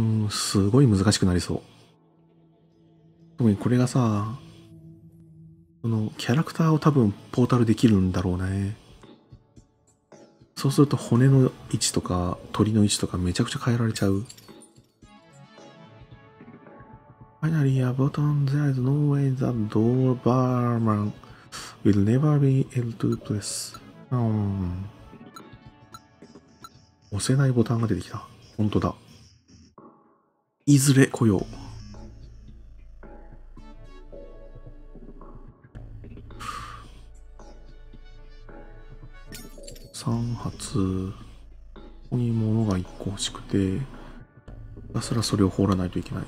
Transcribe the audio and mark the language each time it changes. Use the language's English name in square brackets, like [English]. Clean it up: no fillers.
[Japanese] すごい難しくなりそう。特にこれがさ、このキャラクターを多分ポータルできるんだろうね。そうすると骨の位置とか鳥の位置とかめちゃくちゃ変えられちゃう。 [English] Finally, a button. There is no way the doorman will never be able to press. [Japanese] 押せないボタンが出てきた。本当だ。いずれ来よう。 3発。ここに物が1個欲しくて、ひたすらそれを掘らないといけない。